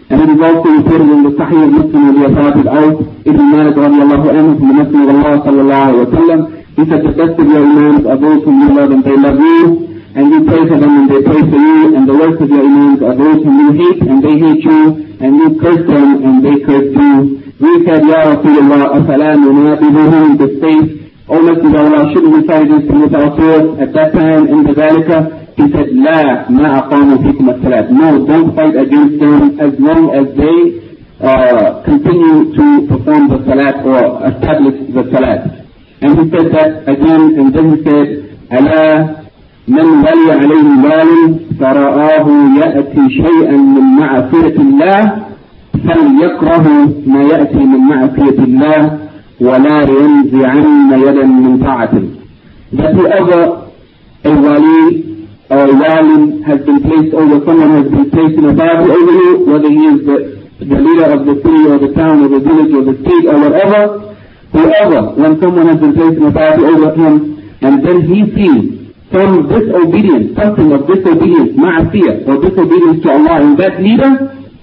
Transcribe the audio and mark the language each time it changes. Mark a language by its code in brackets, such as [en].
[en] And it is also reported in the Sahih of Muslim of the Authority of Aus, Ibn Malik radiallahu anhu, from the Messenger of Allah sallallahu alayhi wa sallam, he said, the best of your imams are those whom you love and they love you, and you pray for them and they pray for you, and the worst of your imams are those whom you hate and they hate you, and you curse them and they curse you. We said, Ya Rasulullah, As-salam, wa ma'atibuhum, the state, O Messenger of Allah, shouldn't we fight against them with our swords at that time in the Zalika? He said, [ar] لا ما أقاموا فيكم الصلاة. [en] No, don't fight against them as long as they continue to perform the salat or establish the salat. And he said that again, and then he said, [ar] ألا من ولي عليه مال فرآه يأتي شيئا من معصية الله فليكره ما يأتي من معصية الله ولا ينزعن يدا من طاعة. [en] That whoever a wali or a walim has been placed over, someone has been placed in authority over you, whether he is the leader of the city or the town or the village or the state or whatever, whoever, when someone has been placed in authority over him, and then he sees some disobedience, something of disobedience, ma'asiyah, or disobedience to Allah in that leader,